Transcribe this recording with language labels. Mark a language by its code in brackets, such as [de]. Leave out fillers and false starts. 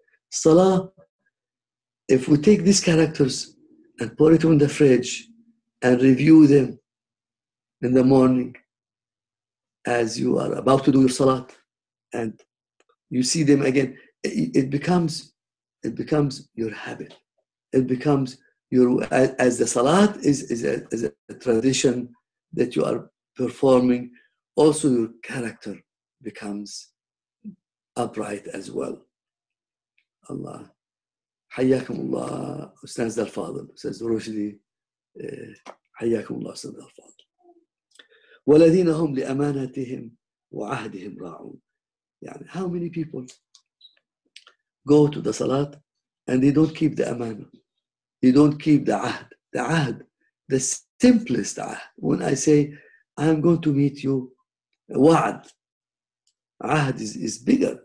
[en] Salah, if we take these characters and put it in the fridge and review them in the morning as you are about to do your salat and you see them again, it becomes your habit. It becomes your, as the salat is a tradition that you are performing, also your character becomes upright as well. [ar] Allah. حياكم الله أستاذ الفاضل أستاذ رشدي حياكم الله أستاذ الفاضل. والذين هم لأمانتهم وعهدهم راعون. يعني [en] how many people go to the salat and they don't keep the amana, they don't keep the عهد. The عهد, the simplest عهد. When I say I'm going to meet you, وعد, عهد is bigger.